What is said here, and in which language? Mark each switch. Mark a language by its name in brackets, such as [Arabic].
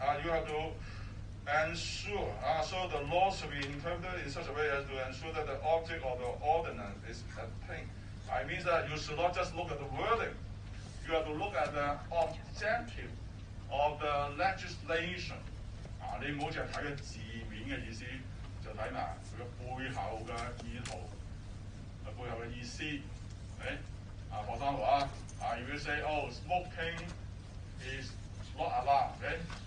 [English] You have to ensure, so the law should be interpreted in such a way as to ensure that the object of the ordinance is attained. It means that you should not just look at the wording. You have to look at the objective of the legislation. [Chinese] 你不要只看字面的意思, 就看它背後的意圖,背後的意思, okay? [English] For example, if you say, oh, smoking is not allowed, okay?